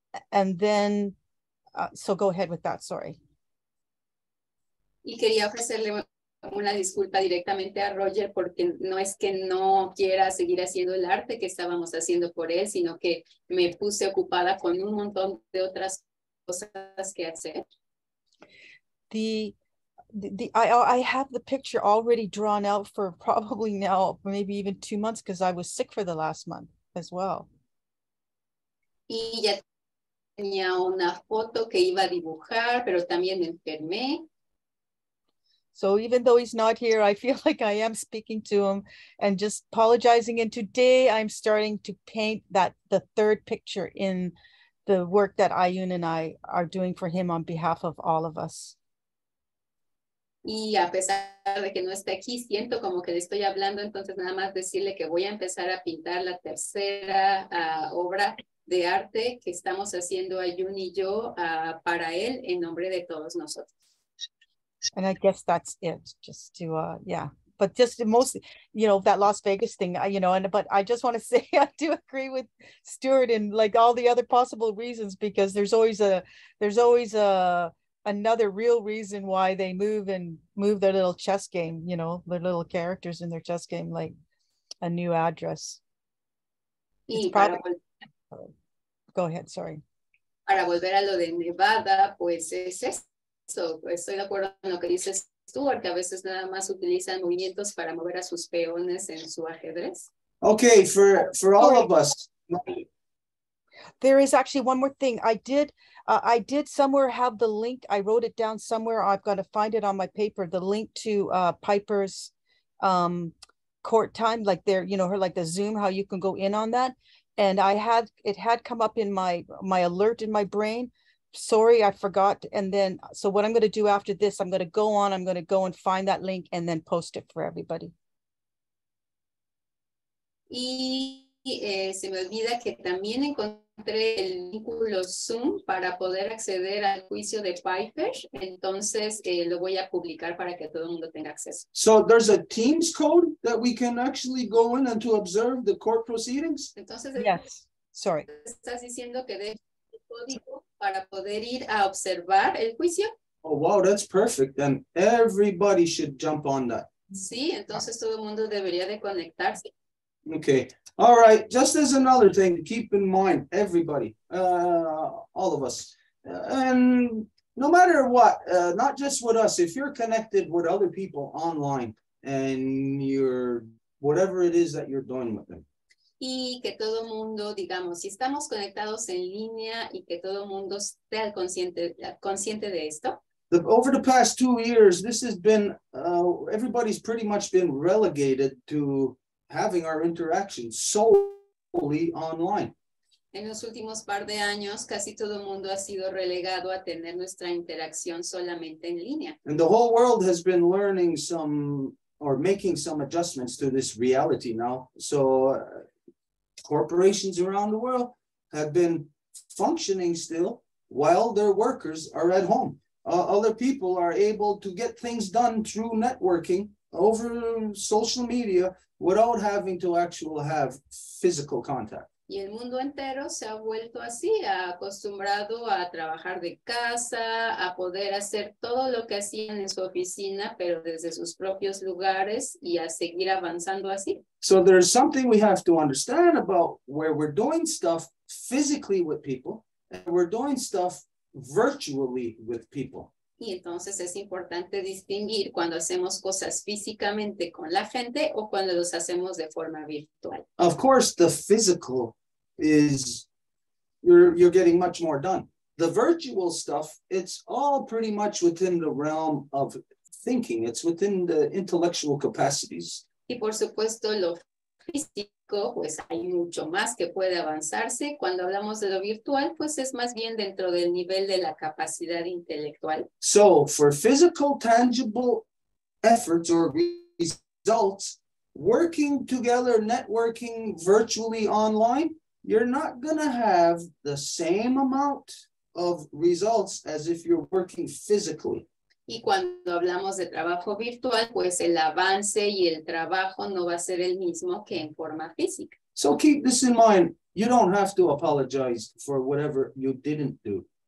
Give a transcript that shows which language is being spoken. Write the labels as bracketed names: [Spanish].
[English] And then, so go ahead with that, sorry. [Spanish] Y quería ofrecerle una disculpa directamente a Roger porque no es que no quiera seguir haciendo el arte que estábamos haciendo por él, sino que me puse ocupada con un montón de otras cosas que hacer. [English] I have the picture already drawn out for probably now maybe even 2 months because I was sick for the last month as well. [Spanish] Y ya tenía una foto que iba a dibujar, pero también me enfermé. [English] So even though he's not here, I feel like I am speaking to him and just apologizing. And today I'm starting to paint that the third picture in the work that Ayun and I are doing for him on behalf of all of us. [Spanish] Y a pesar de que no está aquí, siento como que le estoy hablando, entonces nada más decirle que voy a empezar a pintar la tercera obra de arte que estamos haciendo Ayun y yo para él en nombre de todos nosotros. [English] And I guess that's it, just to, yeah, but just mostly, you know, that Las Vegas thing, you know, and, but I just want to say, I do agree with Stuart and like all the other possible reasons, because there's always another real reason why they move and move their little chess game, you know, their little characters in their chess game, like a new address. Go ahead. Sorry. [Spanish] Para volver a lo de Nevada, pues es esto. So, estoy de acuerdo con lo que dices tú, porque a veces nada más utilizan movimientos para mover a sus peones en su ajedrez. [English] Okay, for all of us. There is actually one more thing. I did somewhere have the link. I wrote it down somewhere. I've got to find it on my paper. The link to Piper's court time, like there, you know, her like the Zoom, how you can go in on that. And it had come up in my alert in my brain. Sorry, I forgot. And then, so what I'm going to do after this, I'm going to go and find that link and then post it for everybody. [Spanish] Y se me olvida que también encontré el vínculo Zoom para poder acceder al juicio de Piper. Entonces, lo voy a publicar para que todo el mundo tenga acceso. [English] So there's a Teams code that we can actually go in and to observe the court proceedings? [Spanish] Entonces, [English] yes, sorry. [Spanish] ¿Estás diciendo que de para poder ir a observar el juicio? [English] Oh, wow, that's perfect. Then everybody should jump on that. [Spanish] Sí, entonces todo el mundo debería de conectarse. [English] Okay, all right. Just as another thing, keep in mind, everybody, all of us, and No matter what, not just with us, if you're connected with other people online and you're whatever it is that you're doing with them. [Spanish] Y que todo mundo, digamos, si estamos conectados en línea y que todo mundo esté consciente de esto. [English] Over the past 2 years, this has been, everybody's pretty much been relegated to having our interactions solely online. [Spanish] En los últimos par de años, casi todo mundo ha sido relegado a tener nuestra interacción solamente en línea. [English] And the whole world has been learning some, or making some adjustments to this reality now. So corporations around the world have been functioning still while their workers are at home. Other people are able to get things done through networking over social media without having to actually have physical contact. [Spanish] Y el mundo entero se ha vuelto así, acostumbrado a trabajar de casa, a poder hacer todo lo que hacían en su oficina, pero desde sus propios lugares y a seguir avanzando así. [English] So there's something we have to understand about where we're doing stuff physically with people, and we're doing stuff virtually with people. [Spanish] Y entonces es importante distinguir cuando hacemos cosas físicamente con la gente o cuando los hacemos de forma virtual. [English] Of course, the physical is, you're getting much more done. The virtual stuff, it's all pretty much within the realm of thinking. It's within the intellectual capacities. [Spanish] Y por supuesto, lo físico, pues hay mucho más que puede avanzarse. Cuando hablamos de lo virtual, pues es más bien dentro del nivel de la capacidad intelectual. [English] So, for physical, tangible efforts or results, working together, networking virtually online, you're not going to have the same amount of results as if you're working physically. [Spanish] Y cuando hablamos de trabajo virtual, pues el avance y el trabajo no va a ser el mismo que en forma física. [English] So keep this in mind. You don't have to apologize for whatever you didn't do.